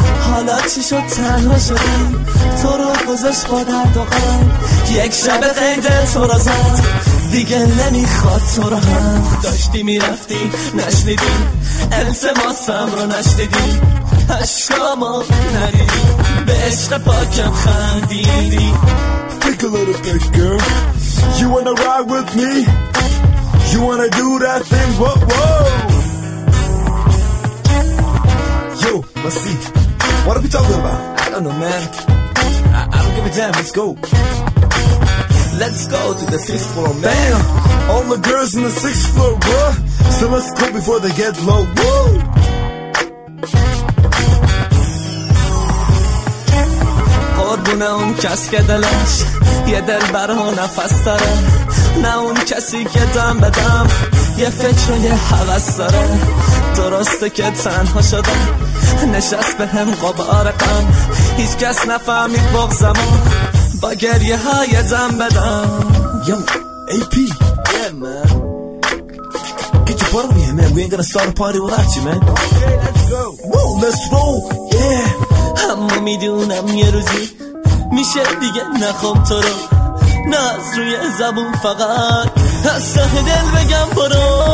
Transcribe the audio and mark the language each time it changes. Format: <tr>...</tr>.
<fa>حالا چی شد تنها شدی، تو رو گذاشت با درد و غم، یک شب قیده تو را زد دیگه نمیخواد تو را هم. داشتی میرفتی نشنیدی التماسم رو، نشنیدی عشقامو، ندیدی به عشق پاکم خندیدی.</fa> <en>Take a little bit girl, you wanna ride with me, you wanna do that thing, whoa, whoa. Yo, Masi, what are we talking about? I don't know, man. I don't give a damn, let's go. Let's go to the sixth floor, man. Bam! All the girls in the sixth floor, whoa. So let's go before they get low, whoa.</en> <fa>قربونه اون کس که دلش یه دل برا نفس داره، نه اون کسی که دم بدم یه فکر و یه حوض داره. درسته که تنها شدم، نشست به هم قبارقم، هیچ کس نفهمید بغزم و با گریه های دم بدم.</fa> <en>Yo, AP. Yeah, man. Get your butt over here, man. We ain't gonna start a party without you, man. Okay, let's go. Whoa, let's roll. Yeah.</en> <fa>اما میدونم یه روزی میشه دیگه نخوام تو رو، نه از روی زبون، فقط از ته دل بگم برو.</fa>